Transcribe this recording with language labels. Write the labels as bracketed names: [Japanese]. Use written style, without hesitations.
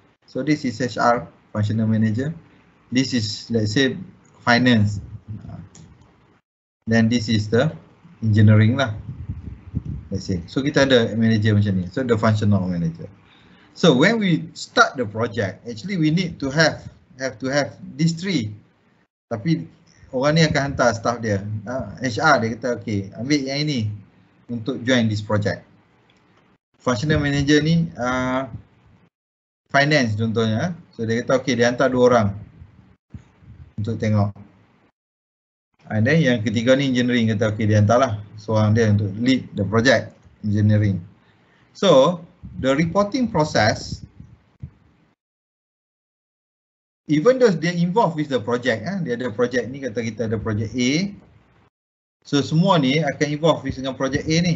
[English] So this is HR functional manager. This is let's say finance. Then this is the engineering lah. Let's say. So [Malay] kita ada [English] manager [Malay] macam ni. [English] So the functional manager. So when we start the project, actually we need to have these three. [Malay] Tapi orang ni akan hantar staff dia. HR dia kata okay, ambil yang ini untuk [English] join this project. [Malay] Functional manager ni finance contohnya. So dia kata okay, dia hantar dua orang untuk tengok. [English] And then [Malay] yang ketiga ni engineering, kata okay, dia hantarlah seorang dia untuk [English] lead the project engineering. So the reporting process, even though they involved with the project, [Malay] dia ada project ni, kata kita ada project A. So semua ni akan [English] involve with [Malay] dengan project A ni.